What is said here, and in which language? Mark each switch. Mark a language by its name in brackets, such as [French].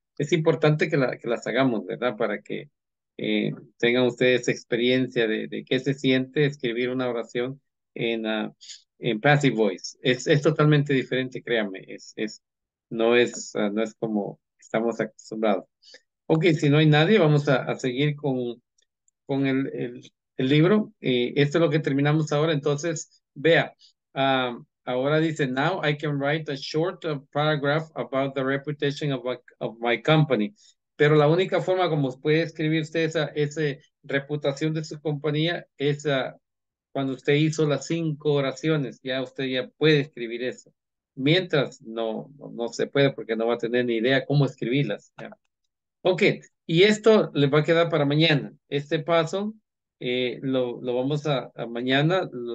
[Spanish] Es importante que, la, que las hagamos, ¿verdad? Para que tengan ustedes experiencia de qué se siente escribir una oración en Passive Voice. Es totalmente diferente, créanme. No es como estamos acostumbrados. Ok, si no hay nadie, vamos a seguir con el libro. Esto es lo que terminamos ahora. Entonces, vea. Ahora dice, [English] now I can write a short paragraph about the reputation of my company. [Spanish] Pero la única forma como puede escribir usted esa reputación de su compañía es cuando usted hizo las 5 oraciones. Ya usted ya puede escribir eso. Mientras, no se puede porque no va a tener ni idea cómo escribirlas. ¿Ya? Ok, y esto le va a quedar para mañana. Este paso lo vamos a mañana.